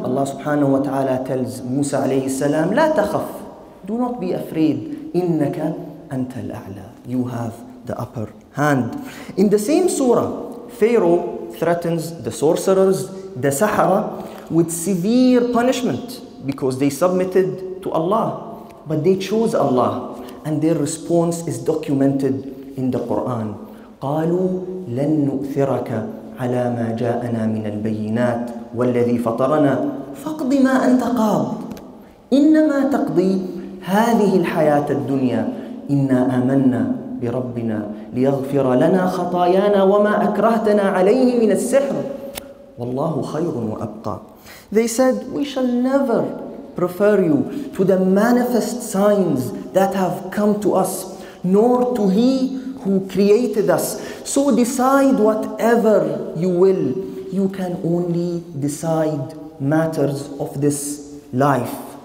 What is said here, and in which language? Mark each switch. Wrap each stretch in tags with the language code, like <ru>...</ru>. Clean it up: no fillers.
<en>Allah subhanahu wa ta'ala tells Musa alayhi salam,</en> <ar>لا تخف,</ar> <en>do not be afraid,</en> <ar>إنك أنت الأعلى,</ar> <en>you have the upper hand. In the same surah, Pharaoh threatens the sorcerers, the sahara, with severe punishment because they submitted to Allah, but they chose Allah, and their response is documented in the Quran.</en> <ar>قالوا لن نؤثرك على ما جاءنا من البينات والذي فطرنا فاقض ما أنت قاض إنما تقضي هذه الحياة الدنيا إنا آمنا بربنا ليغفر لنا خطايانا وما أكرهتنا عليه من السحر والله خير وأبقى.</ar> <en>They said, we shall never prefer you to the manifest signs that have come to us, nor to he who created us. So decide whatever you will. You can only decide matters of this life.</en>